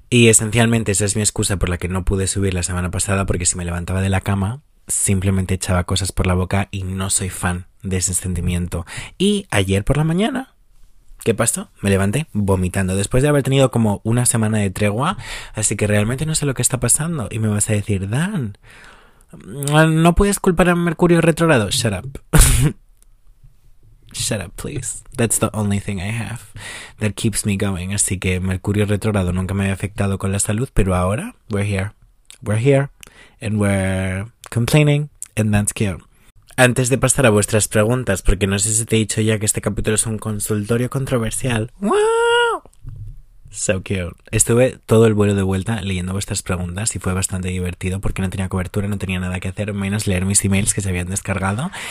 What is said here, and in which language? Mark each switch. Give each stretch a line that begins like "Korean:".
Spanish: Y esencialmente esa es mi excusa por la que no pude subir la semana pasada, porque si me levantaba de la cama, simplemente echaba cosas por la boca y no soy fan de ese sentimiento. Y ayer por la mañana, ¿qué pasó? Me levanté vomitando después de haber tenido como una semana de tregua, así que realmente no sé lo que está pasando. Y me vas a decir, Dan, ¿no puedes culpar a Mercurio retrógrado?
English: Shut up. Shut up, please. That's the only thing I have that keeps me going.
Spanish: Así que Mercurio retrógrado nunca me había afectado con la salud, pero ahora
English: we're here. We're here and we're complaining and that's cute.
Spanish: Antes de pasar a vuestras preguntas, porque no sé si te he dicho ya que este capítulo es un consultorio controversial. ¡Wow!
English: So cute.
Spanish: Estuve todo el vuelo de vuelta leyendo vuestras preguntas y fue bastante divertido porque no tenía cobertura, no tenía nada que hacer, menos leer mis emails que se habían descargado.